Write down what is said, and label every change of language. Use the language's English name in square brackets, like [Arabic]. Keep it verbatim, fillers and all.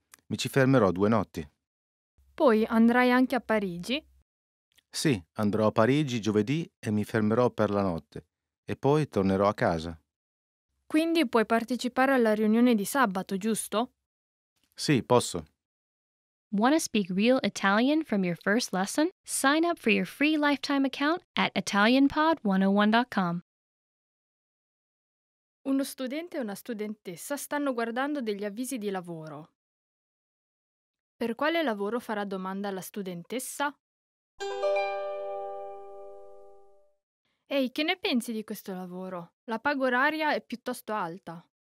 [Italian] Mi ci fermerò due notti. Poi andrai anche a Parigi? Sì, andrò a Parigi giovedì e mi fermerò per la notte e poi tornerò a casa. Quindi puoi partecipare alla riunione di sabato, giusto? Sì, posso. [English] Want to speak real Italian from your first lesson? Sign up for your free lifetime account at italian pod one oh one dot com. [Italian] Uno studente e una studentessa stanno guardando degli avvisi di lavoro. Per quale lavoro farà domanda la studentessa? Ehi, che ne pensi di questo lavoro? La paga oraria è piuttosto alta.